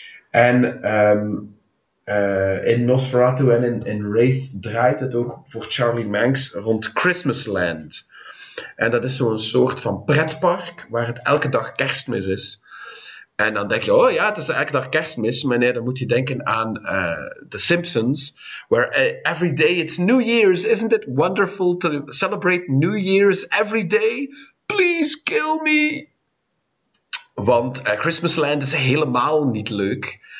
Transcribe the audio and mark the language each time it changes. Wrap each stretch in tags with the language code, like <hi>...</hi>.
<nl>En in Nosferatu en in Wraith draait het ook voor Charlie Manx rond Christmasland. En dat is zo'n soort van pretpark waar het elke dag kerstmis is. En dan denk je, oh ja, het is elke dag kerstmis. Maar nee, dan moet je denken aan The Simpsons.</nl> <en>Where every day it's New Year's. Isn't it wonderful to celebrate New Year's every day? Please kill me!</en> <nl>Want Christmasland is helemaal niet leuk.</nl>